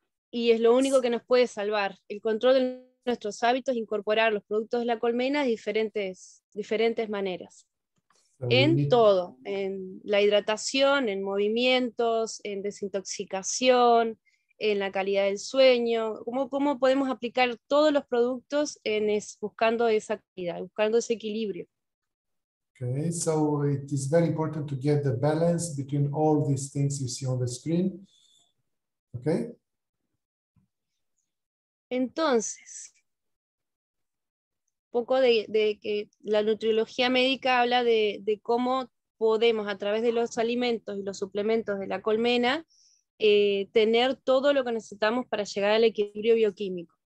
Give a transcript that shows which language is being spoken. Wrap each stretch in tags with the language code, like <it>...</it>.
<es>Y es lo único que nos puede salvar. El control de nuestros hábitos, incorporar los productos de la colmena de diferentes maneras. En todo, en la hidratación, en movimientos, en desintoxicación, en la calidad del sueño. ¿Cómo podemos aplicar todos los productos buscando esa calidad, buscando ese equilibrio?</es> <en>Okay, so it is very important to get the balance between all these things you see on the screen. Okay.</en> <es>Entonces, poco de que la nutriología médica habla de cómo podemos a través de los alimentos y los suplementos de la colmena tener todo lo que necesitamos para llegar al equilibrio bioquímico.</es>